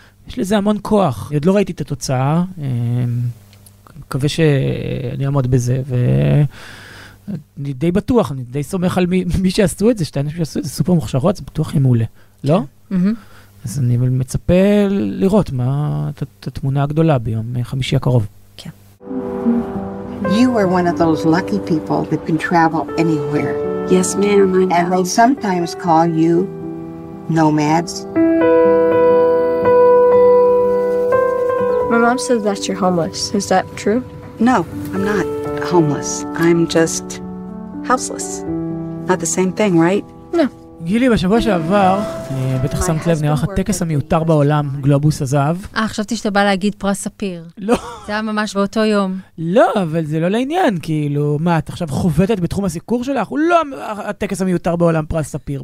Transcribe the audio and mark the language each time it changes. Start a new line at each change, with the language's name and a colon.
Hebrew: יש לזה המון כוח. אני עוד לא ראיתי את התוצאה. מקווה שאני אעמוד בזה. אני די בטוח, אני די סומך על מי שעשו את זה, שתי אנשים שעשו את זה, סופר מוכשרות, זה בטוח יהיה מעולה. לא? אז אני מצפה לראות מה התמונה הגדולה ביום חמישי הקרוב. כן.
English: You are one of those lucky people that can travel anywhere. Yes, ma'am, I know. And they sometimes call you nomads. My mom says that you're homeless. Is that true? No, I'm not homeless. I'm just houseless. Not the same thing, right? No.
Hebrew: גילי, בשבוע שעבר, בטח שמת לב, נערך הטקס המיותר בעולם, גלובוס הזהב. חשבתי שאתה בא להגיד פרס ספיר. לא. זה היה ממש באותו יום. לא, אבל זה לא לעניין, כאילו, מה, את עכשיו חובטת בתחום הסיקור שלך? הוא לא הטקס המיותר בעולם, פרס ספיר.